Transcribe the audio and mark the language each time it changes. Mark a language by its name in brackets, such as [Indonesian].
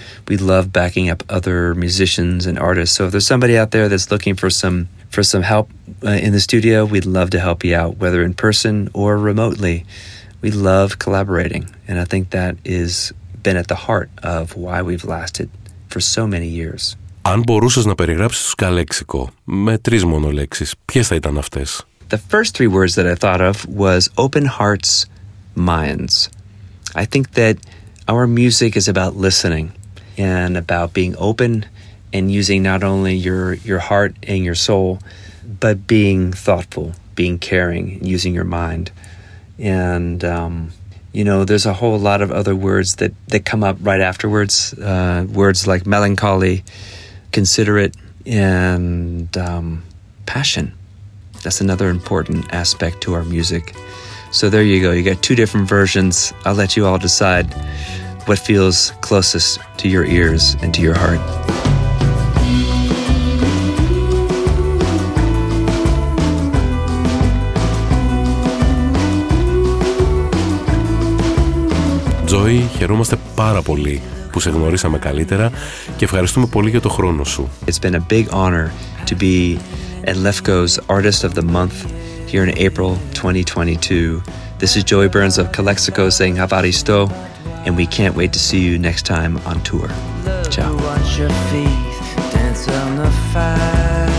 [English] We love backing up other musicians and artists. So if there's somebody out there that's looking for some help in the studio, we'd love to help you out, whether in person or remotely. We love collaborating, and I think that has been at the heart of why we've lasted for so many years. [Greek] Αν μπορούσες να περιγράψεις τους Καλέξικο με τρεις μόνο λέξεις, ποιες θα ήταν αυτές? [English] The first three words that I thought of was open hearts, minds. I think that our music is about listening and about being open and using not only your heart and your soul, but being thoughtful, being caring, using your mind. And, you know, there's a whole lot of other words that come up right afterwards, words like melancholy, considerate, and passion. That's another important aspect to our music. So there you go. You got two different versions. I'll let you all decide what feels closest to your ears and to your heart. [Greek] Joy, χαιρόμαστε πάρα πολύ που σε γνωρίσαμε καλύτερα και ευχαριστούμε πολύ για το χρόνο σου. [English] It's been a big honor to be at Lefko's Artist of the Month here in April 2022. This is Joy Burns of Calexico saying Havaristo, and we can't wait to see you next time on tour. Ciao. Watch your feet, dance on the fire.